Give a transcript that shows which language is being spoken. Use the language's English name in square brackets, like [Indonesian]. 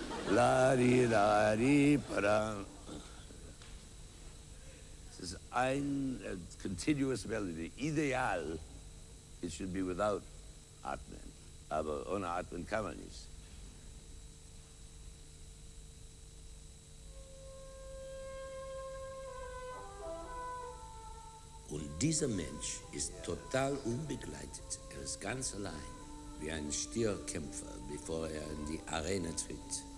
[German] La di da di para. Es ist ein [English] continuous melody. Ideal, it should be without Atmen. [German] Aber ohne Atmen kann man nicht. Und dieser Mensch ist total unbegleitet. Er ist ganz allein, wie ein Stierkämpfer, bevor er in die Arena tritt.